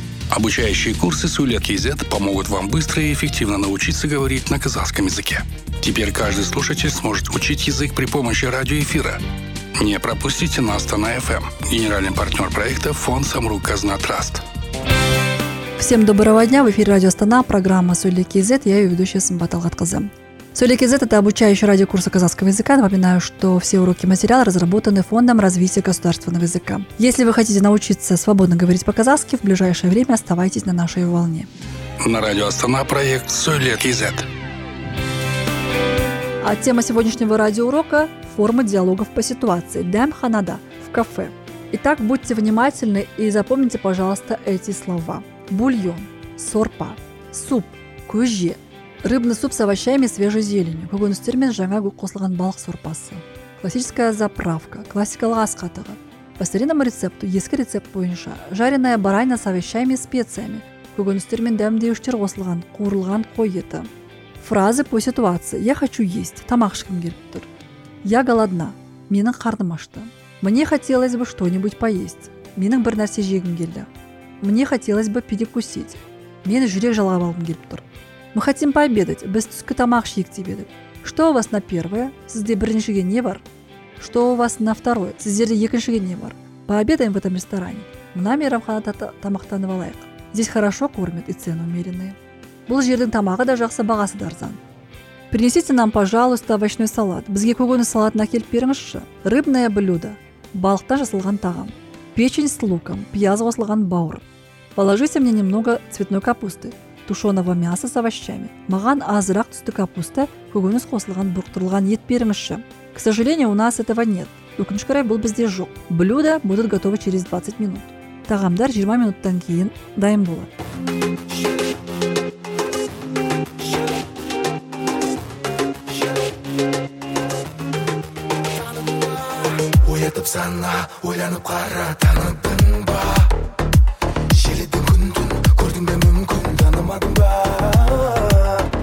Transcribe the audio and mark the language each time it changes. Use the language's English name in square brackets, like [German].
[Russian] Обучающие курсы Сулет.кз помогут вам быстро и эффективно научиться говорить на казахском языке. Теперь каждый слушатель сможет учить язык при помощи радиоэфира. Не пропустите нас на FM. Генеральный партнер проекта – фонд «Самрук Казна Траст». Всем доброго дня. В эфире радио «Астана», программа Сулет.кз. Я ее ведущая Сымбат Алгатқызы. Сулет.кз – это обучающий радиокурсы казахского языка. Напоминаю, что все уроки и материалы разработаны Фондом развития государственного языка. Если вы хотите научиться свободно говорить по-казахски, в ближайшее время оставайтесь на нашей волне. На радио «Астана» проект Сулет.кз. А тема сегодняшнего радиоурока – форма диалогов по ситуации. Дәмханада – в кафе. Итак, будьте внимательны и запомните, пожалуйста, эти слова. Бульон, сорпа, суп, көже. Рыбный суп с овощами и свежей зеленью. [Kazakh] Көгөністермен жаңа қосылған балық сорпасы. [Russian] Классическая заправка. [Kazakh] Классикалық ас қатығы. [Russian] По старинному рецепту, [Kazakh] ескі рецепт бойынша, [Russian] жареная баранина с овощами и специями. [Kazakh] Көгөністермен дәмдеуіштер қосылған, қуырылған қой еті. [Russian] Фразы по ситуации. Я хочу есть. [Kazakh] Тамақ ішкім келіп тұр. [Russian] Я голодна. [Kazakh] Менің қарным ашты. [Russian] Мне хотелось бы что-нибудь поесть. [Kazakh] Менің бір нәрсе жегім келді. [Russian] Мне хотелось бы перекусить. [Kazakh] Мен жүрек жалап алғым келіп тұр. [Russian] Мы хотим пообедать. [Kazakh] Біз түскі тамақ ішейік деп едік. [Russian] Что у вас на первое? [Kazakh] Сізде біріншіге не бар? [Russian] Что у вас на второе? [Kazakh] Сіздерде екіншіге не бар? [Russian] Пообедаем в этом ресторане. [Kazakh] Мына мейрамханада тамақтанып алайық. [Russian] Здесь хорошо кормят и цены умеренные. [Kazakh] Бұл жердің тамағы да жақсы, бағасы да арзан. [Russian] Принесите нам, пожалуйста, овощной салат. [Kazakh] Бізге көкөніс салатын әкеліп беріңізші. [Russian] Рыбное блюдо. [Kazakh] Балықтан жасалған тағам. [Russian] Печень с луком. [Kazakh] Пияз қосылған бауыр. [Russian] Положите мне немного цветной капусты. Тушеного мяса с овощами. [Kazakh] Маған азырақ түсті капуста, көкөніс қосылған бұрқтырылған ет беріңізші. [Russian] К сожалению, у нас этого нет. [Kazakh] Өкініш қарай, бұл бізде жоқ. [Russian] Блюда будут готовы через 20 минут. [Kazakh] Тағамдар 20 минуттан кейін дайын болады. Сана, ойланып қара таныдың ба? Желеді күн-түн, көрдің бе мүмкін танымадың ба?